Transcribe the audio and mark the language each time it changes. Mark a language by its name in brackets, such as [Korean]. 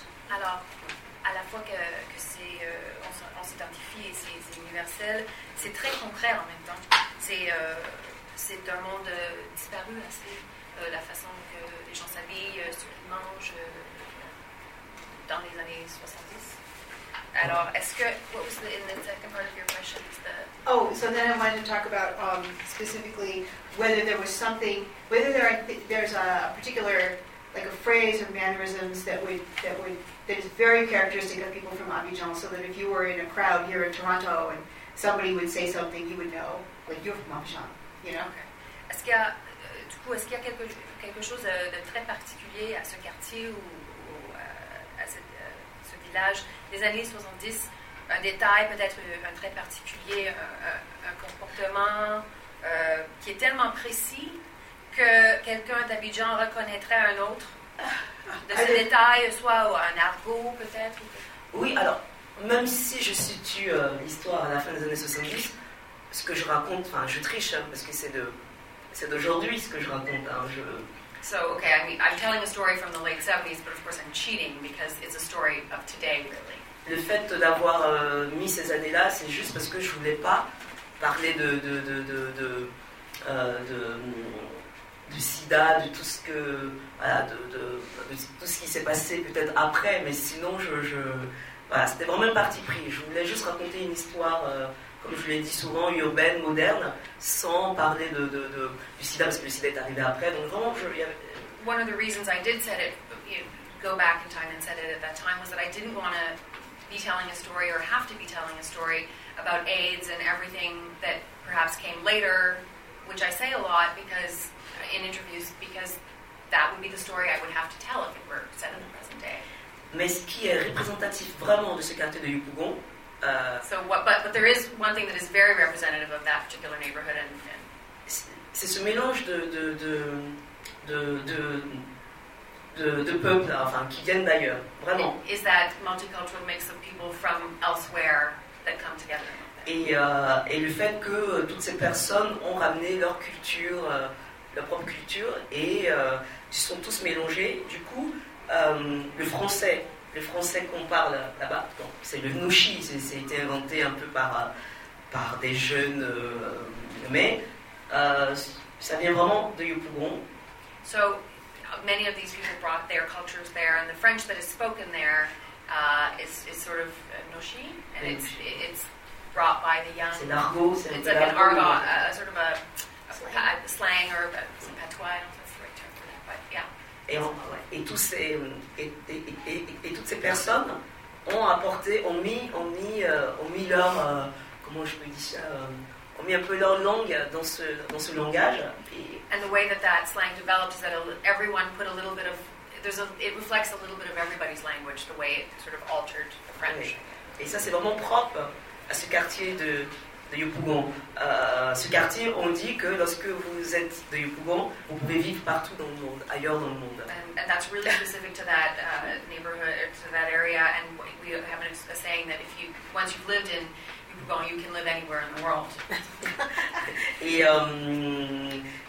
[French] Alors, à la fois que c'est on s'identifie et c'est universel, c'est très concret en même temps. C'est un monde disparu, là, c'est la façon que les gens s'habillent, ce qu'ils mangent dans les années 70. Alors, est-ce que... [English] What was the, in the second part of your question? Oh, so then I wanted to talk about specifically whether there was something, whether there's a particular, like a phrase or mannerisms that is very characteristic of people from Abidjan, so that if you were in a crowd here in Toronto and somebody would say something, you would know, like, you're from Abidjan. You know? [French] Okay. Est-ce qu'il y a du coup est-ce qu'il y a quelque chose de très particulier à ce quartier ou à ce village des années 70, un détail peut-être un trait particulier, un comportement qui est tellement précis que quelqu'un d'Abidjan reconnaîtrait un autre de ce détail, soit un argot peut-être ou... Oui, alors même si je situe l'histoire à la fin des années 70, ce que je raconte, enfin, je triche, hein, parce que c'est d'aujourd'hui ce que je raconte. Hein, je... [English] So, okay, I mean, I'm telling a story from the late 70s, but of course I'm cheating because it's a story of today, really. [French] Le fait d'avoir mis ces années-là, c'est juste parce que je voulais pas parler de SIDA, de tout ce que, voilà, de tout ce qui s'est passé peut-être après, mais sinon, je voilà, c'était vraiment un parti pris. Je voulais juste raconter une histoire. Comme je l'ai dit souvent, urbaine, moderne, sans parler du sida, parce que le sida est arrivé après. Donc vraiment, je lui avais... [English] One of the reasons I did set it, you know, go back in time and set it at that time, was that I didn't want to be telling a story or have to be telling a story about AIDS and everything that perhaps came later, which I say a lot because in interviews, because that would be the story I would have to tell if it were set in the present day. [French] Mais ce qui est représentatif vraiment de ce quartier de Yopougon, [English] But there is one thing that is very representative of that particular neighborhood, and [French] c'est ce mélange de peuples, enfin, qui viennent d'ailleurs, vraiment. [English] Is that multicultural mix of people from elsewhere that come together? [French] Et le fait que toutes ces personnes ont ramené leur culture, leur propre culture, et ils sont tous mélangés. Du coup, le français qu'on parle là-bas, bon, c'est le nouchi, ça a été inventé un peu par des jeunes, mais ça vient vraiment de Yopougon. [English] So, many of these people brought their cultures there, and the French that is spoken there is sort of nouchi, and it's brought by the young. [French] C'est l'argot, c'est un peu l'argot. [English] It's like an argot, sort of a slang, or a some patois, I don't know if that's the right term for that, but yeah. [French] Et toutes ces personnes ont mis leur comment je peux dire ça ont mis un peu leur langue dans ce langage. [English] And the way that slang developed is that everyone put a little bit of it reflects a little bit of everybody's language, the way it sort of altered the French. [French] Et ça c'est vraiment propre à ce quartier de Yopougon. Ce quartier, on dit que lorsque vous êtes de Yopougon, vous pouvez vivre partout dans le monde, ailleurs dans le monde. [English] And that's really specific to that neighborhood, to that area. And we have a saying that once you've lived in Yopougon, you can live anywhere in the world.